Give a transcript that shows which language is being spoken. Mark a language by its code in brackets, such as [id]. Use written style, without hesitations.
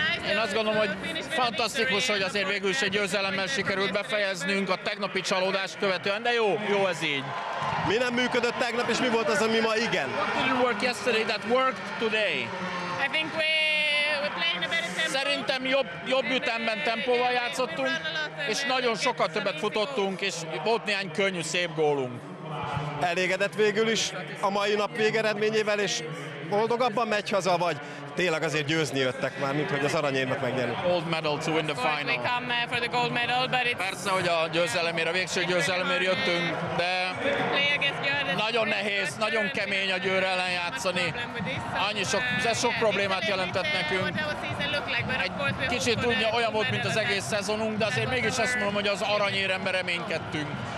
[hu] Én azt gondolom, hogy fantasztikus, hogy azért végül is egy győzelemmel sikerült befejeznünk a tegnapi csalódást követően, de jó, jó ez így. Mi nem működött tegnap, és mi volt az, ami ma igen? [en] What didn't work yesterday that worked today? I think we're playing a better tempo. [hu] Szerintem jobb ütemben tempóval játszottunk, és nagyon sokat többet futottunk, és volt néhány könnyű, szép gólunk. Elégedett végül is a mai nap végeredményével, és boldogabban megy haza, vagy tényleg azért győzni jöttek már, mint hogy az aranyérmet megnyerjük. [en] Gold medal to win the final. [hu] Persze, hogy a győzelemért, a végső győzelemért jöttünk, de nagyon nehéz, nagyon kemény a Győr ellen játszani. Annyi sok, ez sok problémát jelentett nekünk. Egy kicsit tudja, olyan volt, mint az egész szezonunk, de azért mégis azt mondom, hogy az aranyéremben reménykedtünk.